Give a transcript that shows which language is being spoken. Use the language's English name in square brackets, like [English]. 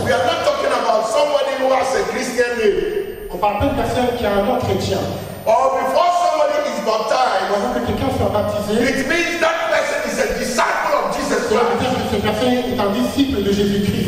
[English] we are not talking about somebody who has a Christian name. [French] On parle d'une personne qui a un nom chrétien. [English] Or before somebody is baptized, [French] avant que quelqu'un soit baptisé, [English] it means that person is a disciple of Jesus Christ. [French] Cela veut dire que cette personne est un disciple de Jésus-Christ.